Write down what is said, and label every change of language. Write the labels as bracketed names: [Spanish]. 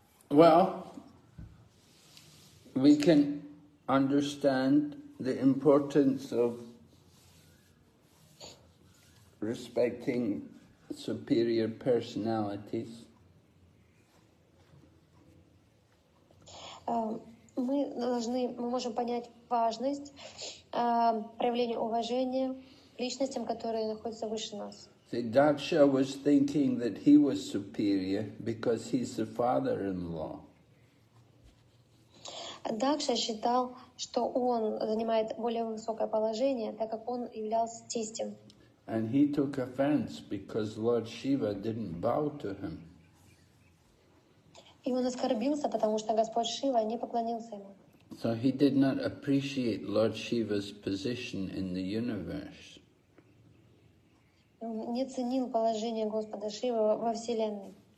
[English] Well, we can understand the importance of respecting superior personalities. [Russian] Мы должны, мы можем понять важность проявления уважения личностям, которые находятся выше нас. [English] The Daksha was thinking that he was superior because he's the father-in-law. [Russian] Дакша считал, что он занимает более высокое положение, так как он являлся тестем. [English] And he took offense because Lord Shiva didn't bow to him. [Russian] И он оскорбился, потому что Господь Шива не поклонился ему. [English] So he did not appreciate Lord Shiva's position in the universe. [Russian] Он не ценил положение Господа Шивы во Вселенной.